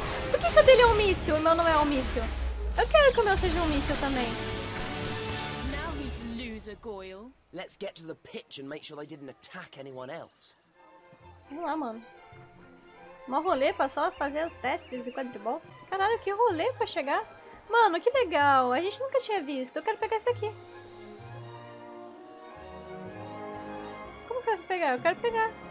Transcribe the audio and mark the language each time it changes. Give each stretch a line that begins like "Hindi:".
Portuguese: Por que, que o dele é um míssil e o meu não é um míssil? Eu quero que o meu seja um míssil também.
English: Now he's loser, Goyle. Let's get to the pitch and make sure they didn't attack anyone else.
Portuguese: Vamos lá, mano. Mó rolê pra só fazer os testes de quadribol. Caralho, que rolê pra chegar. Mano, que legal. A gente nunca tinha visto. Eu quero pegar isso daqui. Como que eu quero pegar? Eu quero pegar.